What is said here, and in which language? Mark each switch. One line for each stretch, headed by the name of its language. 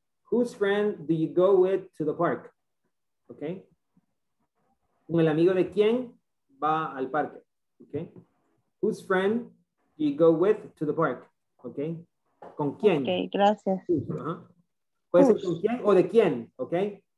English: Whose friend do you go with to the park? Okay.
Spanish: ¿Con el amigo de quién va al parque? Okay.
English: Whose friend do you go with to the park?
Spanish: Okay. ¿Con quién? Okay, gracias. Puede ser con quién o de quién, okay?